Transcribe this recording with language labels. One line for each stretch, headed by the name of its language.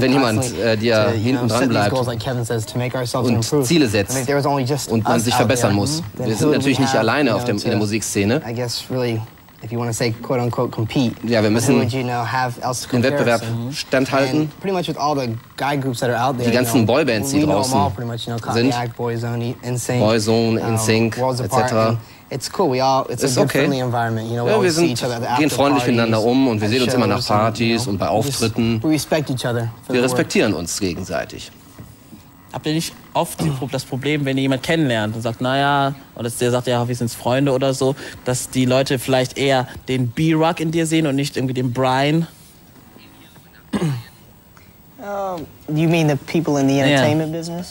German: Wenn jemand dir hinten dran bleibt und Ziele setzt und man sich verbessern muss. Wir sind natürlich nicht alleine auf in der Musikszene.
English: I guess really, if you want to say quote unquote compete.
German: Ja, wir müssen den Wettbewerb standhalten.
English: Pretty much with all the guy groups that are out there.
German: Die ganzen Boybands, die draußen sind. Boyzone, NSYNC, etc.
English: It's cool. It's a friendly environment. You know,
German: ja,
English: we see each other at
German: gehen freundlich miteinander um und wir sehen uns immer nach Partys and, und bei Auftritten.
English: We respect each other.
German: Wir respektieren uns gegenseitig. Habt ihr nicht oft das Problem, wenn ihr jemanden kennenlernt und sagt, naja, oder der sagt, ja, wir sind Freunde oder so, dass die Leute vielleicht eher den B-Rock in dir sehen und nicht irgendwie den Brian?
English: You mean the people in the entertainment business?